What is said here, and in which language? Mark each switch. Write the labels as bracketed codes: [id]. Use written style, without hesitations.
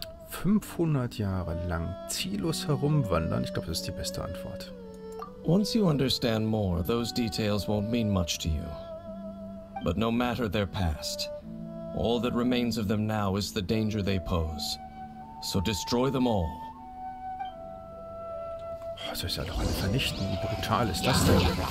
[de] 500 Jahre lang ziellos herumwandern, ich glaube, das ist die beste Antwort. [en] Once you understand more, those details won't mean much to you. But no matter their past, all that remains of them now is the danger they pose. So destroy them all. [de] Das ist ja doch eine Vernichtung. Wie brutal ist das denn?